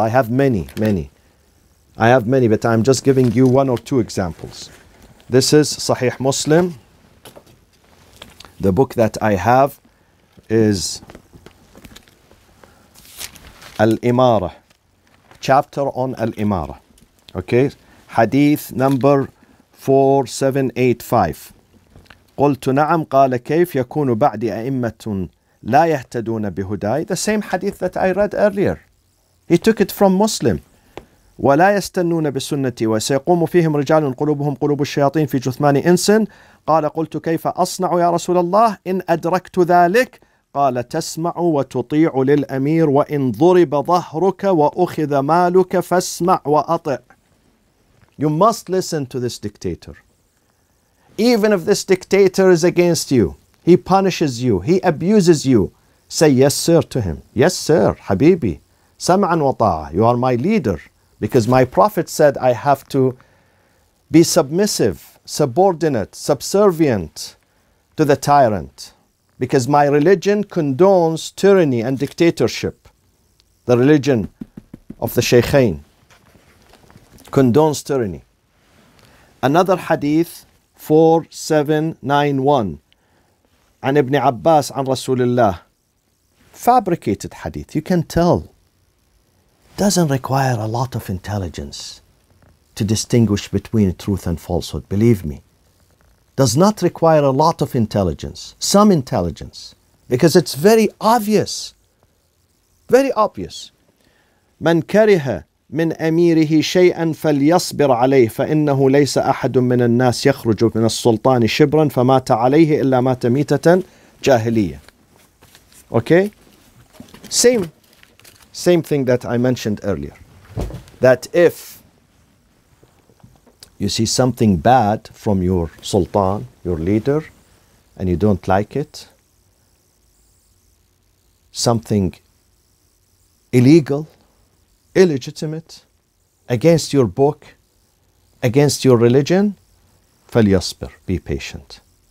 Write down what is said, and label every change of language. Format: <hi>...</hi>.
<en>I have many, many. I have many, but I'm just giving you one or two examples. This is Sahih Muslim. The book that I have is Al-Imara, chapter on Al-Imara. Okay, hadith number 4785.</en> <ar>قلت نعم قال كيف يكون بعد أئمة لا يهتدون بهداي.</ar> <en>The same hadith that I read earlier. He took it from Muslim.</en> <ar>ولا يستنون بسنتي وسيقوم فيهم رجال قلوبهم قلوب الشياطين في جثمان إنسن. قال قلت كيف أصنع يا رسول الله إن أدركت ذلك. قال تسمع وتطيع للأمير وإن ضرب ظهرك وأخذ مالك فاسمع وأطع.</ar> <en>You must listen to this dictator. Even if this dictator is against you, he punishes you, he abuses you, say yes sir to him. Yes sir, Habibi,</en> <ar>sam'an wa ta'a,</ar> <en>you are my leader. Because my Prophet said I have to be submissive, subordinate, subservient to the tyrant. Because my religion condones tyranny and dictatorship. The religion of the Shaykhain condones tyranny. Another hadith, 4791,</en> <ar>عن ابن عباس عن رسول الله.</ar> <en>Fabricated hadith, you can tell. Doesn't require a lot of intelligence to distinguish between truth and falsehood, believe me. Does not require a lot of intelligence, some intelligence, because it's very obvious. Very obvious.</en> <ar>من كره من أميره شيئا فليصبر عليه فإنه ليس أحد من الناس يخرج من السلطان شبرا فمات عليه إلا مات ميتة جاهلية.</ar> <en>Okay, same thing that I mentioned earlier, that if you see something bad from your sultan, your leader, and you don't like it, something illegal, illegitimate, against your book, against your religion, فليصبر, be patient.</en>